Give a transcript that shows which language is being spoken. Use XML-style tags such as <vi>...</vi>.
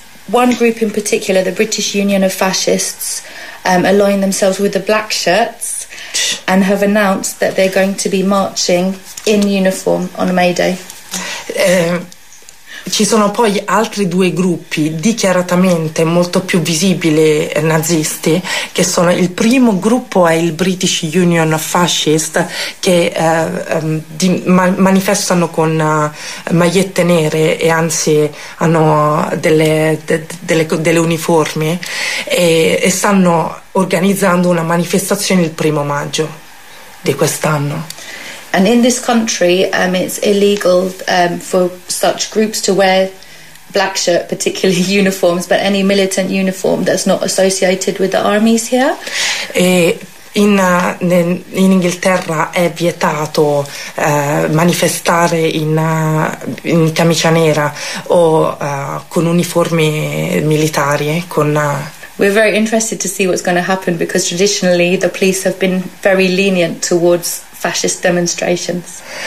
<en>One group in particular, the British Union of Fascists, align themselves with the Black Shirts and have announced that they're going to be marching in uniform on May Day.</en> <it>Ci sono poi altri due gruppi dichiaratamente molto più visibili nazisti, che sono il primo gruppo è il British Union of Fascists, che manifestano con magliette nere e anzi hanno delle uniformi e stanno organizzando una manifestazione il 1° maggio di quest'anno.</it> <en>And in this country, it's illegal for such groups to wear black shirt, particularly uniforms, but any militant uniform that's not associated with the armies here.</en> <it>In Inghilterra è vietato manifestare in camicia nera o con uniformi militari,</it> <en>We're very interested to see what's going to happen because traditionally the police have been very lenient towards fascist demonstrations.</en>